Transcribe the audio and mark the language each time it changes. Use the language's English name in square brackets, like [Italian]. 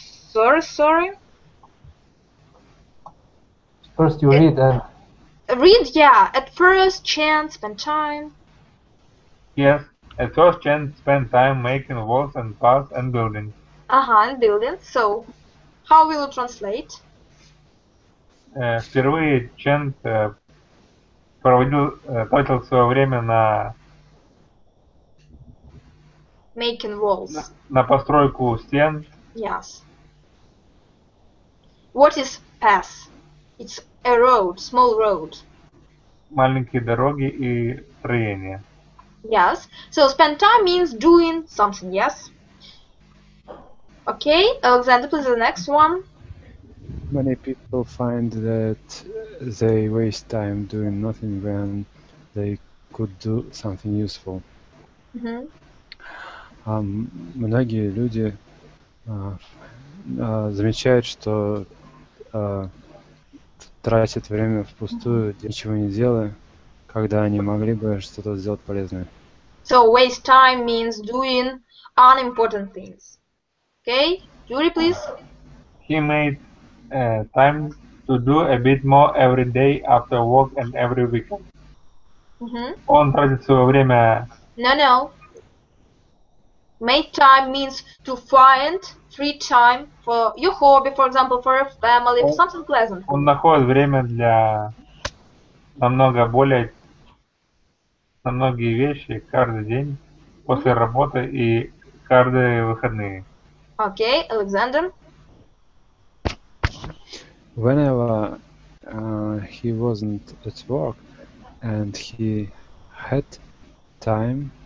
[English] Sorry. First you read and... Read, yeah. At first, chant, spend time. Yes. At first, chant, spend time making walls and paths and buildings. Uh-huh, and buildings. So, how will you translate? [Russian] Впервые чент потратил свое время на... [English] Making walls. [Russian] На постройку стен. [English] Yes. What is path? It's a road, small road. [Russian] Маленькие дороги и строения. [English] Yes. So spend time means doing something, yes? Okay, Alexander, please the next one. Many people find that they waste time doing nothing when they could do something useful. Mm-hmm. [Russian] Многие люди замечают, что тратят время впустую, ничего не делая, когда они могли бы что-то сделать полезное. [English] So waste time means doing unimportant things. Okay, Yuri, please. He made time to do a bit more every day after work and every weekend. Mm-hmm. [Russian] Он тратит свое время... [English] No. Make time means to find free time for your hobby, for example, for your family, for something pleasant. [Russian] Он находит время для намного более... на многие вещи каждый день после mm-hmm. работы и каждые выходные. [English] Okay, Alexander. Whenever he wasn't at work and he had time